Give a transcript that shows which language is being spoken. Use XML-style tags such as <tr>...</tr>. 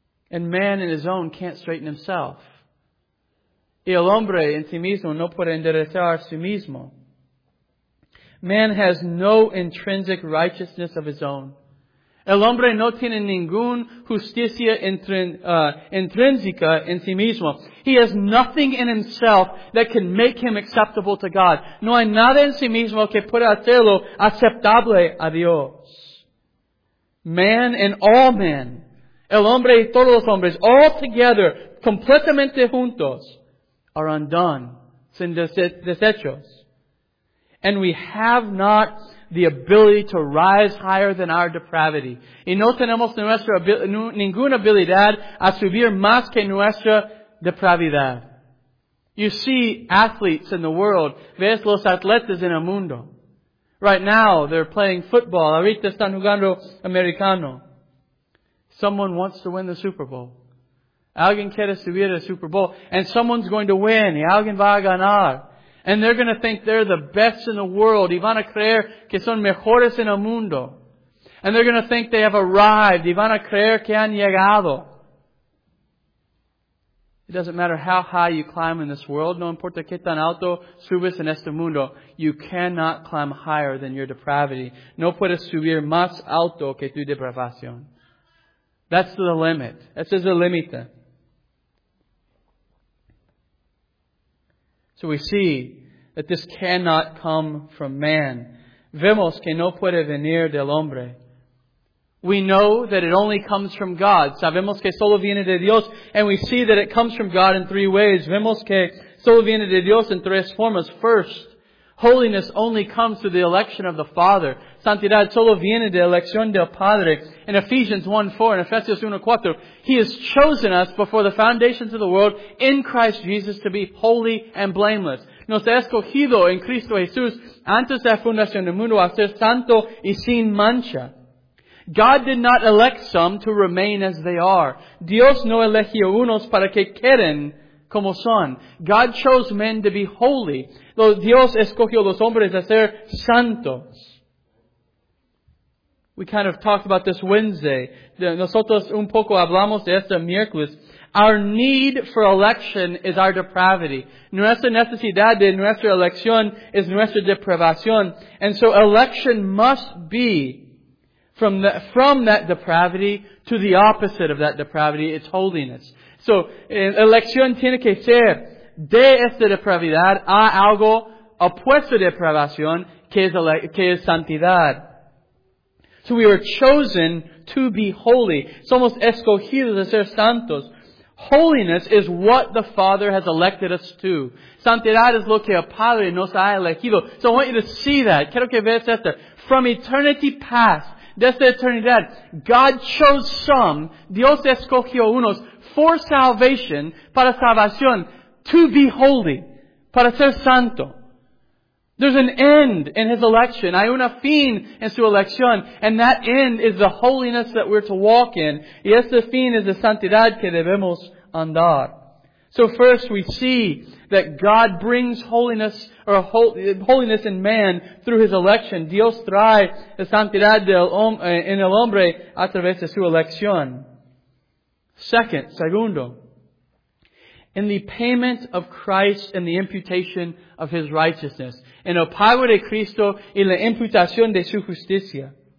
<en>And man in his own can't straighten himself.</en> <es>Y el hombre en sí mismo no puede enderezar a sí mismo.</es> <en>Man has no intrinsic righteousness of his own.</en> <es>El hombre no tiene ninguna justicia intrínseca en sí mismo.</es> <en>He has nothing in himself that can make him acceptable to God.</en> <es>No hay nada en sí mismo que pueda hacerlo aceptable a Dios.</es> <en>Man and all men.</en> <es>El hombre y todos los hombres,</es> <en>all together,</en> <es>completamente juntos,</es> <en>are undone,</en> <es>sin desechos.</es> <en>And we have not the ability to rise higher than our depravity.</en> <es>Y no tenemos ninguna habilidad a subir más que nuestra depravidad.</es> <en>You see athletes in the world.</en> <es>Ves los atletas en el mundo.</es> <en>Right now, they're playing football.</en> <es>Ahorita están jugando americano.</es> <en>Someone wants to win the Super Bowl.</en> <es>Alguien quiere subir al Super Bowl.</es> <en>And someone's going to win.</en> <es>Y alguien va a ganar.</es> <en>And they're going to think they're the best in the world.</en> <es>Y van a creer que son mejores en el mundo.</es> <en>And they're going to think they have arrived.</en> <es>Y van a creer que han llegado.</es> <en>It doesn't matter how high you climb in this world.</en> <es>No importa qué tan alto subes en este mundo.</es> <en>You cannot climb higher than your depravity.</en> <es>No puedes subir más alto que tu depravación.</es> <en>That's the limit. That's just the limit. So we see that this cannot come from man.</en> <es>Vemos que no puede venir del hombre.</es> <en>We know that it only comes from God.</en> <es>Sabemos que solo viene de Dios.</es> <en>And we see that it comes from God in three ways.</en> <es>Vemos que solo viene de Dios en tres formas.</es> <en>First, holiness only comes through the election of the Father.</en> <es>Santidad solo viene de elección del Padre.</es> <en>In Ephesians 1:4 and Ephesians 1:4, He has chosen us before the foundations of the world in Christ Jesus to be holy and blameless.</en> <es>Nos ha escogido en Cristo Jesús antes de la fundación del mundo a ser santo y sin mancha.</es> <en>God did not elect some to remain as they are.</en> <es>Dios no eligió unos para que queden como son.</es> <en>God chose men to be holy.</en> <es>Dios escogió los hombres a ser santos.</es> <en>We kind of talked about this Wednesday.</en> <es>Nosotros un poco hablamos de este miércoles.</es> <en>Our need for election is our depravity.</en> <es>Nuestra necesidad de nuestra elección es nuestra depravación.</es> <en>And so election must be from that depravity to the opposite of that depravity, its holiness.</en> <es>So, elección tiene que ser de esta depravidad a algo opuesto a depravación que es santidad.</es> <en>So we are chosen to be holy.</en> <es>Somos escogidos a ser santos.</es> <en>Holiness is what the Father has elected us to.</en> <es>Santidad es lo que el Padre nos ha elegido.</es> <en>So I want you to see that.</en> <es>Quiero que veas esto.</es> <en>From eternity past,</en> <es>desde eternidad,</es> <en>God chose some,</en> <es>Dios escogió unos,</es> <en>for salvation,</en> <es>para salvación,</es> <en>to be holy,</en> <es>para ser santo.</es> <en>There's an end in His election.</en> <es>Hay una fin en su elección.</es> <en>And that end is the holiness that we're to walk in.</en> <es>Y ese fin es la santidad que debemos andar.</es> <en>So first we see that God brings holiness or holiness in man through His election.</en> <es>Dios trae la santidad en el hombre a través de su elección. Segundo.</es> <en>In the payment of Christ and the imputation of His righteousness.</en> <es>En el pago de Cristo y la imputación de su justicia.</es>